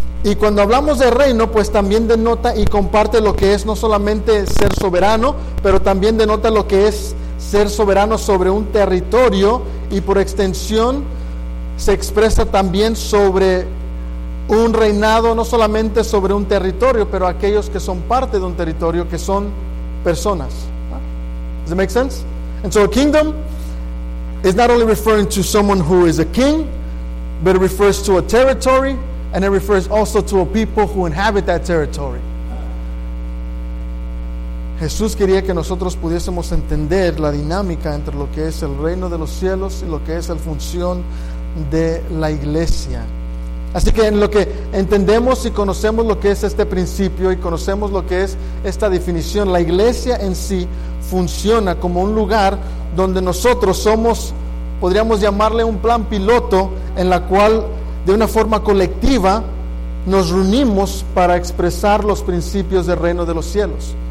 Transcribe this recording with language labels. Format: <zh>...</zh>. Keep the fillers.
<es>Y cuando hablamos de reino, pues también denota y comparte lo que es no solamente ser soberano, pero también denota lo que es ser soberano sobre un territorio y por extensión se expresa también sobre un reinado no solamente sobre un territorio, pero aquellos que son parte de un territorio que son personas.</es> <en>Does it make sense? Entonces, so a kingdom es not only referring to someone who is a king, but it refers to a territory and it refers also to a people who inhabit that territory. Uh -huh.</en> <es>Jesús quería que nosotros pudiésemos entender la dinámica entre lo que es el reino de los cielos y lo que es la función de la iglesia Así que en lo que entendemos y conocemos lo que es este principio y conocemos lo que es esta definición, la iglesia en sí funciona como un lugar donde nosotros somos, podríamos llamarle un plan piloto en la cual de una forma colectiva nos reunimos para expresar los principios del reino de los cielos.</es>